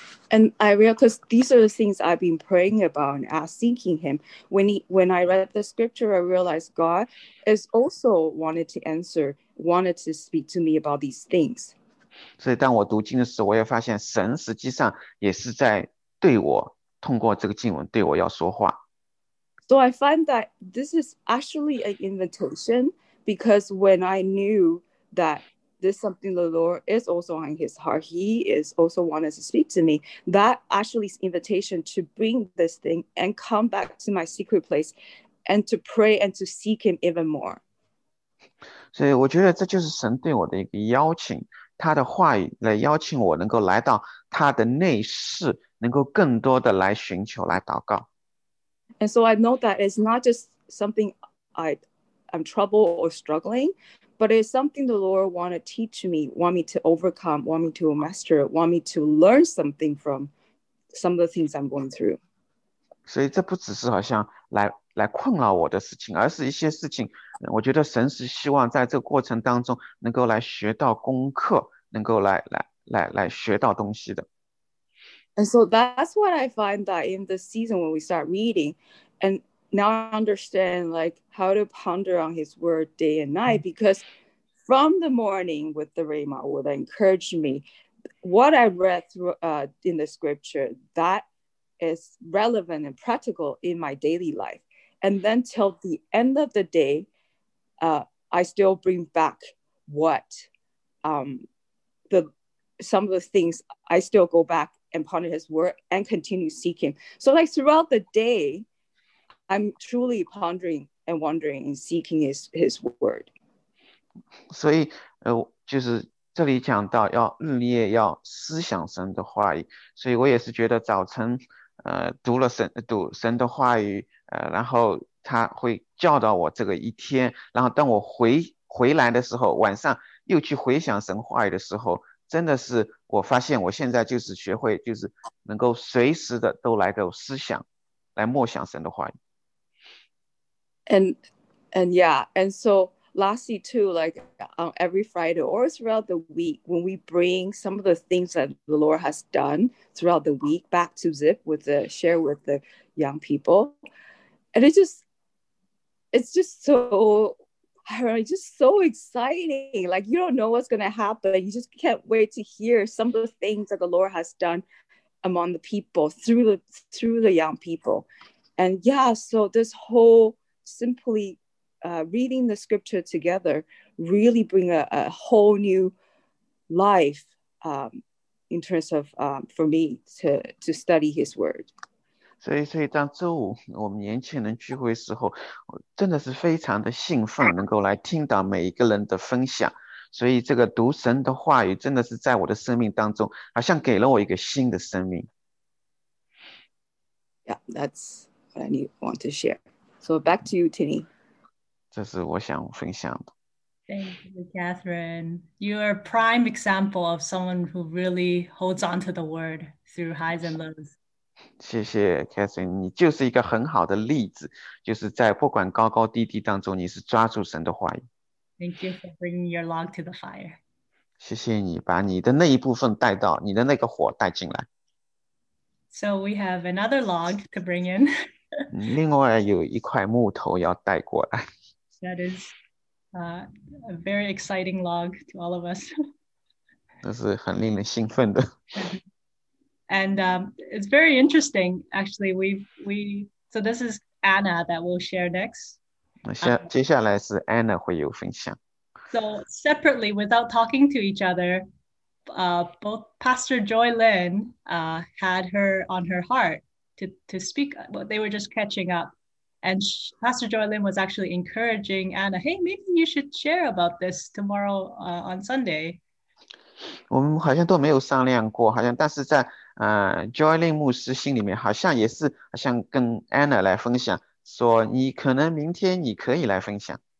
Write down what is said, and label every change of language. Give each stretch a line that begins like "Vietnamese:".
English: And I realized these are the things I've been praying about and asking him. When I read the scripture, I realized God is also wanted to speak to me about these things.
Chinese: 所以，当我读经的时候，我也发现神实际上也是在对我，通过这个经文对我要说话。
English: So I find that this is actually an invitation because when I knew that this is something the Lord is also on his heart, he is also wanted to speak to me, that actually is invitation to bring this thing and come back to my secret place and to pray and to seek him even more.
Chinese: 所以我觉得这就是神对我的一个邀请，他的话语来邀请我能够来到他的内室，能够更多的来寻求、来祷告。
English: And so I know that it's not just something I'm troubled or struggling, but it's something the Lord want to teach me, want me to overcome, want me to master, want me to learn something from some of the things I'm going through.
Chinese: 所以这不只是好像来困扰我的事情，而是一些事情。我觉得神是希望在这个过程当中能够来学到功课，能够来学到东西的。
English: And so that's what I find that in the season when we start reading, And now I understand like how to ponder on his word day and night, because from the morning with the Rhema would encourage me, what I read through in the scripture that is relevant and practical in my daily life. And then till the end of the day, I still bring back what some of the things I still go back and ponder his word and continue seeking. So like throughout the day, I'm truly pondering and wondering and seeking his word.
Chinese: 所以就是这里讲到要日夜要思想神的话语，所以我也是觉得早晨读了读神的话语，然后他会教导我这个一天，然后当我回来的时候，晚上又去回想神话语的时候，真的是我发现我现在就是学会就是能够随时的都来个思想来默想神的话语。
English: And so lastly too, like on every Friday or throughout the week, when we bring some of the things that the Lord has done throughout the week back to Zip with the share with the young people, and it's just so exciting. Like you don't know what's going to happen. You just can't wait to hear some of the things that the Lord has done among the people through the young people. And yeah, so this whole simply reading the scripture together really bring a whole new life in terms of for me to study his word.
Chinese: 所以当周五我们年轻人聚会时候，真的是非常的兴奋，能够来听到每一个人的分享。所以这个读神的话语真的是在我的生命当中，好像给了我一个新的生命。
English: Yeah, that's what I want to share. So back to you, Tini.
Chinese: 这是我想分享的。
English: Thank you, Catherine. You are a prime example of someone who really holds on to the word through highs and lows.
Chinese: 谢谢 Catherine, 你就是一个很好的例子，就是在不管高高低低当中，你是抓住神的话语。
English: Thank you for bringing your log to the fire.
Chinese: 谢谢你把你的那一部分带到，你的那个火带进来。
English: So we have another log to bring in.
Chinese: 另外有一块木头要带过来。
English: That is a very exciting log to all of us.
Chinese: 这是很令人兴奋的。
English: And it's very interesting, actually. So this is Anna that will share next.
Chinese: 接下来是 Anna 会有分享。
English: So separately, without talking to each other, both Pastor Joy Lin had her on her heart to speak. But they were just catching up. And Pastor Joy Lin was actually encouraging Anna, hey, maybe you should share about this tomorrow on Sunday.
Chinese: 我们好像都没有商量过，好像但是在Joy Lin 牧师心里面好像也是好像跟 Anna 来分享，说你可能明天你可以来分享。